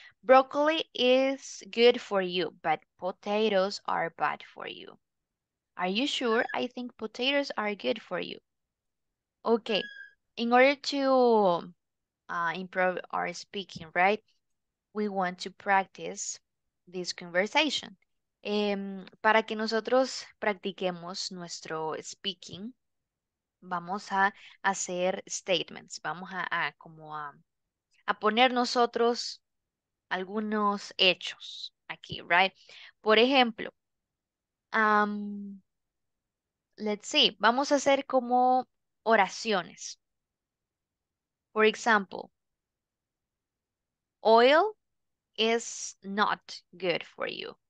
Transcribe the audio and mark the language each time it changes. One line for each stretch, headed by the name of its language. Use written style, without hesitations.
English: Broccoli is good for you, but potatoes are bad for you. Are you sure? I think potatoes are good for you. Okay, in order to improve our speaking, right? We want to practice this conversation.
Spanish: Para que nosotros practiquemos nuestro speaking, vamos a hacer statements. Vamos a poner nosotros algunos hechos aquí, right? Por ejemplo,
English: let's see,
Spanish: vamos a hacer como oraciones.
English: For example, oil is not good for you.